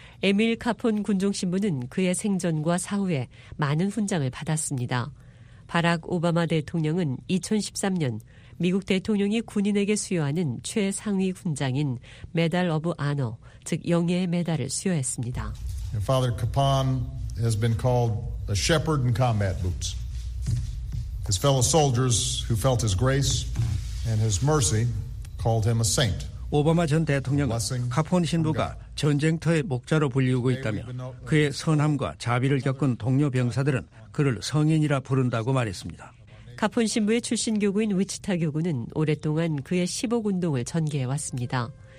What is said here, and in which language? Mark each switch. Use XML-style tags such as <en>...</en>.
<ko>에밀 카폰 군종 신부는 그의 생전과 사후에 많은 훈장을 받았습니다. 바락 오바마 대통령은 2013년 미국 대통령이 군인에게 수여하는 최상위 훈장인 메달 오브 아너, 즉 영예의 메달을 수여했습니다.</ko> <en>Your father Capon has been called a shepherd in combat boots. His fellow soldiers who felt his grace and his mercy called him a saint.</en> <ko>오바마 전 대통령은 카폰 신부가 전쟁터의 목자로 불리우고 있다며 그의 선함과 자비를 겪은 동료 병사들은 그를 성인이라 부른다고 말했습니다. 카폰 신부의 출신 교구인 위치타 교구는 오랫동안 그의 15 운동을 전개해왔습니다.</ko>